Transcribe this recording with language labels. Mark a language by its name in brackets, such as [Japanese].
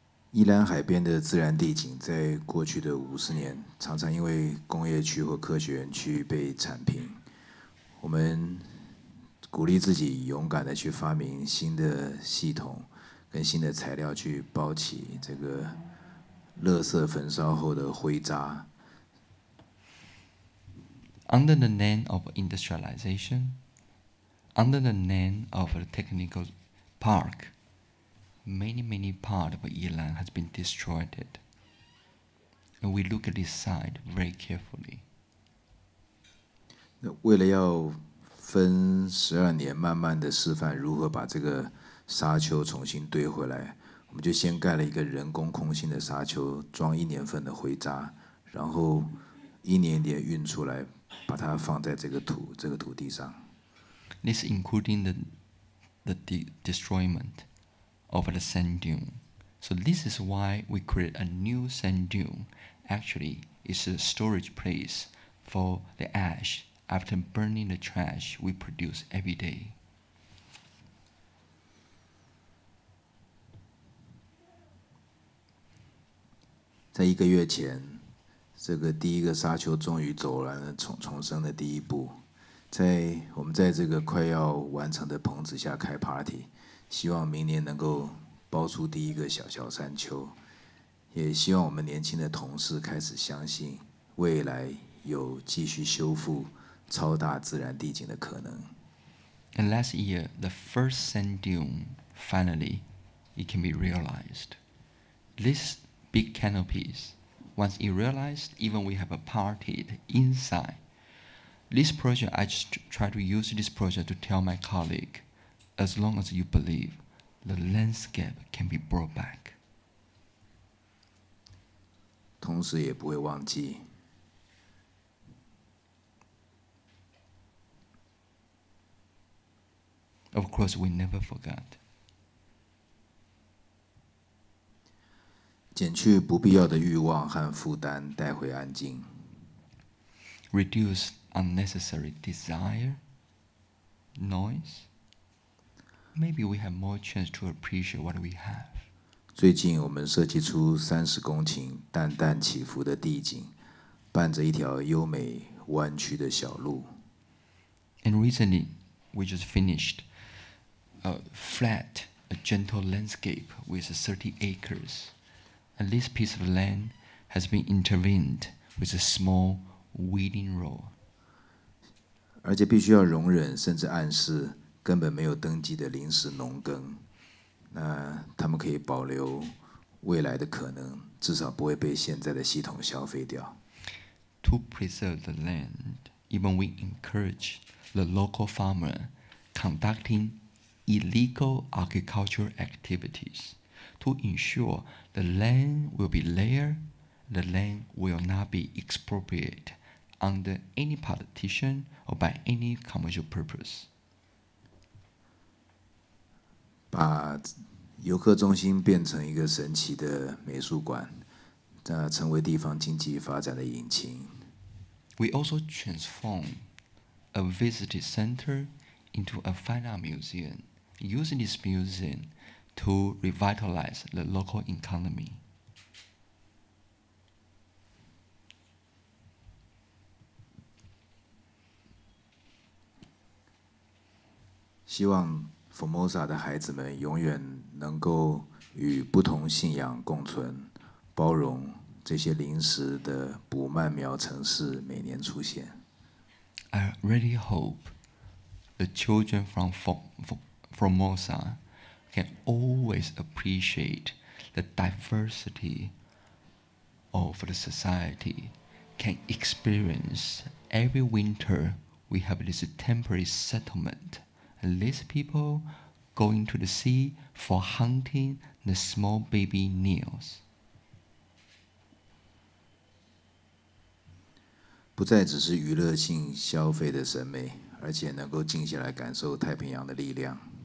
[Chinese] 宜兰海边的自然地景，在过去的五十年，常常因为工业区或科学园区被铲平。我们鼓励自己勇敢地去发明新的系统，跟新的材料去包起这个垃圾焚烧后的灰渣。 [English] Under the name of industrialization, under the name of a technical park. Many part of Yilan has been destroyed, and we look at this site very carefully. [Chinese] 那为了要分十二年，慢慢的示范如何把这个沙丘重新堆回来，我们就先盖了一个人工空心的沙丘，装一年份的灰渣，然后一年一年运出来，把它放在这个土地上。 [English] This including the destroyment. Of the sand dune. So this is why we create a new sand dune. Actually, it's a storage place for the ash after burning the trash we produce every day. In [Chinese] 一个月前，这个第一个沙丘终于走完了重生的第一步。在我们在这个快要完成的棚子下开 party。希望明年能够包出第一个小小山丘，也希望我们年轻的同事开始相信未来有继续修复超大自然地景的可能。 [English] And last year, the first sand dune finally it can be realized. This big canopies, once it realized, even we have a party inside. This project, I just try to use this project to tell my colleague. As long as you believe, the landscape can be brought back. [Chinese] 同时也不会忘记。 [English] Of course, we never forget. [Chinese] 减去不必要的欲望和负担，带回安静。 [English] Reduce unnecessary desire, noise. Maybe we have more chance to appreciate what we have. [Chinese] 最近我们设计出30公顷淡淡起伏的地景，伴着一条优美弯曲的小路。 [English] And recently, we just finished a flat, a gentle landscape with 30 acres. And this piece of land has been intervened with a small weeding road. [Chinese] 而且必须要容忍甚至暗示根本没有登记的临时农耕，那他们可以保留未来的可能，至少不会被现在的系统消费掉。 [English] To preserve the land, even we encourage the local farmer conducting illegal agricultural activities to ensure the land will be there, the land will not be expropriated under any politician or by any commercial purpose. [Chinese] 把游客中心变成一个神奇的美术馆，成为地方经济发展的引擎。 [English] We also transform a visitor center into a fine art museum, using this museum to revitalize the local economy. [Chinese] 希望 Formosa 的孩子们永远能够与不同信仰共存，包容这些临时的不曼苗城市每年出现。 [English] I really hope the children from Formosa can always appreciate the diversity of the society, can experience every winter we have this temporary settlement. And these people going to the sea for hunting the small baby nails. [Chinese] 不再只是娱乐性消费的审美，而且能够静下来感受太平洋的力量。